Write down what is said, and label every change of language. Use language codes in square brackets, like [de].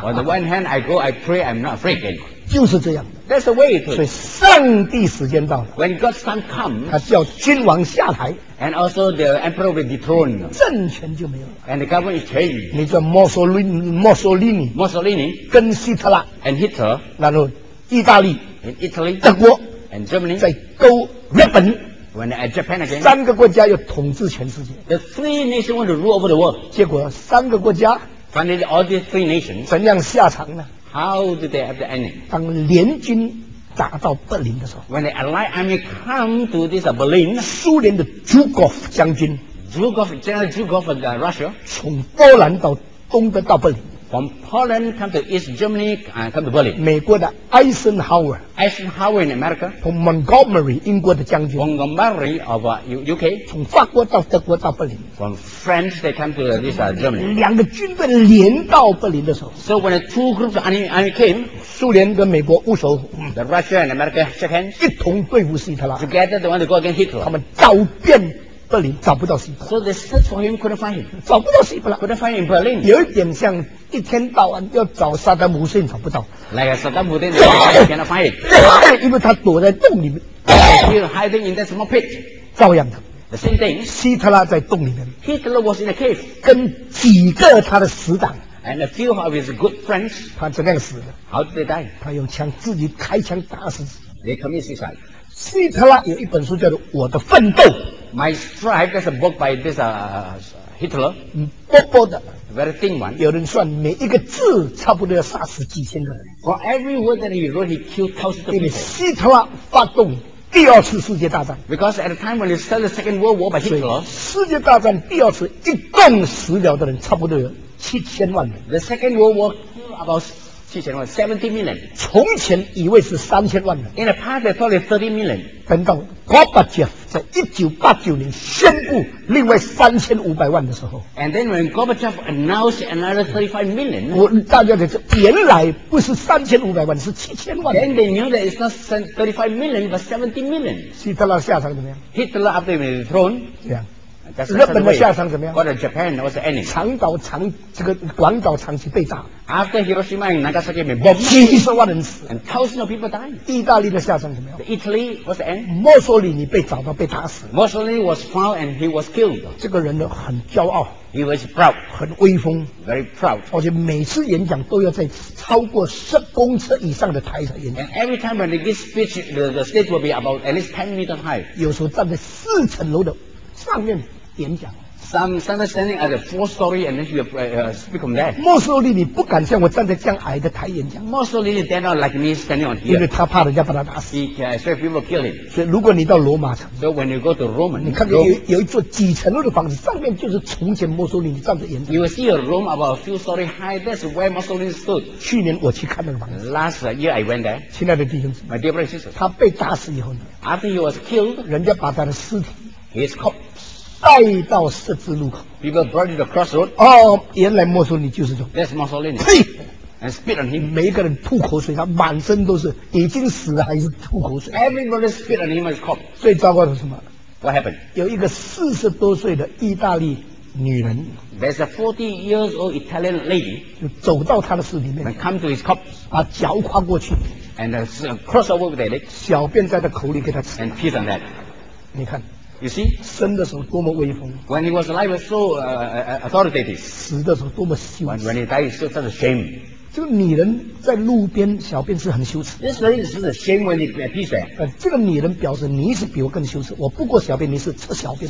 [en] On the one hand, I go, I pray, I'm not afraid again. [zh] 就是这样。 [en] That's the way it is. [zh] 所以上帝时间到了。 [en] When God's time comes, [zh] 他叫君王下台。 [en] And also the emperor will be dethroned. [zh] 政权就没有了。 [en] And the government is changed. [zh] 你叫Mussolini。 [en] Mussolini。 [zh] 跟希特拉。 [en] And Hitler。 [zh] 然后意大利。 [en] In Italy。 [zh] 德国。 [en] And Germany。 [zh] 再勾日本。 [en] When at Japan again. [zh] 三个国家要统治全世界。 [en] The three nations want to rule over the world. [zh] 结果三个国家。 [en] Finally, all these three nations. [zh] 怎样下场呢？ [en] How did they have the ending? [zh] 当联军打到柏林的时候 [en] ，When the Allied army come to this Berlin, [zh] 苏联的朱可夫将军 [en] ，Zhukov General Zhukov of Russia, [zh] 从波兰到东德到柏林 [en] ，From Poland come to East Germany and come to Berlin. [zh] 美国的 Eisenhower [en] in America, [zh] 从 Montgomery 英国的将军 [en] ，Montgomery of UK, [zh] 从法国到德国到柏林 [en] ，From France they come to this Germany. [zh] 两个军队连到柏林的时候 [en] ，So when the two groups of army came. [zh] 苏联跟美国握手 [en] ，The Russia and America shook hands， [zh] 一同对付希特拉。 [en] Together they want to go against Hitler。 [zh] 他们找遍柏林，找不到希特拉。 [en] So they search for him, couldn't find him。 [zh] 找不到希特拉 [en] ，couldn't find him in Berlin。 [zh] 有一点像一天到晚要找萨达姆逊，找不到。 [en] Like Saddam Hussein, they cannot find him。 [zh] 因为他躲在洞里面。 [en] He's hiding in that small pit。 [zh] 照样的。 [en] The same thing。 [zh] 希特拉在洞里面。 [en] Hitler was in a cave。 [zh] 跟几个他的死党。 [en] And a few of his good friends. [zh] 他怎样死的 [en] ？How did they die? [zh] 他用枪自己开枪打死自己。 [en] They commit suicide. [zh] 希特拉有一本书叫做《我的奋斗》。 [en] My Stripe [zh] 那是 [en] book by this Hitler， [zh] 薄薄的 [en] ，very thin one。 [zh] 有人算每一个字差不多要杀死几千个人。 [en] For every word that he wrote, he killed thousands of people。 [zh] 因为希特拉发动第二次世界大战。 [en] Because at the time when he started the Second World War by Hitler， [zh] 世界大战第二次一共死掉的人差不多有七千万人。 [en] The Second World War about 7,000,000 70 million。 [zh] 从前以为是3,000,000人。 [en] In the past, they thought it's 30 million。 [zh] 等到Gorbachev在1989年宣布另外3,500,000的时候 [en] ，And then when Gorbachev announced another 35 million， [zh] 我大家在说原来不是3,500,000，是7,000,000。 [en] Then they knew that it's not 35 million but 70 million。 [zh] 希特勒下场怎么样 [en] ？Hitler after he was thrown， [zh] 这样。日本的下场怎么样 [en] ？Go to Japan was the ending。 [zh] 长岛长这个广岛长期被炸 [en] ，After Hiroshima and Nagasaki were bombed， [zh] 70,000人死 [en] ，and thousands of people died。 [zh] 意大利的下场怎么样 [en] ？Italy was the end。 [zh] 墨索里尼被找到被打死 [en] ，Mussolini was found and he was killed。 [zh] 这个人呢很骄傲 [en] ，He was proud， [zh] 很威风 [en] ，Very proud。 [zh] 而且每次演讲都要在超过10公尺以上的台上演讲 [en] ，Every time when he gives speech， the stage will be about at least 10 meters high。 [zh] 有时候站在4层楼的上面。演讲 [en] Some standing at the fourth story and then you speak from there. [zh] Mussolini 不敢像我站在这样矮的台演讲 [en] Mussolini dare not like me standing on here. [zh] 因为他怕人家把他打死 [en] So people kill him. [zh] 所以如果你到罗马城 [en] So when you go to Rome, [zh] 你看有一座几层楼的房子上面就是从前 Mussolini 站着演讲 [en] You will see a room about a few story high. That's where Mussolini stood. [zh] 去年我去看那个房子 [en] Last year I went there. [zh] 亲爱的弟兄姊妹 [en] My dear brothers and sisters. [zh] 他被打死以后呢 [en] After he was killed, [zh] 人家把他的尸体 [en] His corpse. [zh] 带到十字路口 [en] People brought you to crossroad [zh] 哦原来墨索里尼就是这 [en] That's Mussolini [zh] 呸 [en] And spit on him [zh] 每个人吐口水他满身都是已经死了还是吐口水 [en] Everybody spit on him as cop [zh] 最糟糕的是什么 [en] What happened [zh] 有一个40多岁的意大利女人 [en] There's a 40 years old Italian lady [zh] 就走到他的尸体面 [en] And come to his cop [zh] 把脚跨过去 [en] And cross over with their legs [zh] 小便在他口里给他吃 [en] And pee on that [zh] 你看 [en] You see, [zh] 生的时候多么威风。 [en] When he was alive, was so authoritative. [zh] 死的时候多么羞耻。 [en] When he died, so such a shame. [zh] 这个女人在路边小便是很羞耻。 [en] This lady is a shame when he pees there. [zh] 这个女人表示你是比我更羞耻，我不过小便，你是吃小便。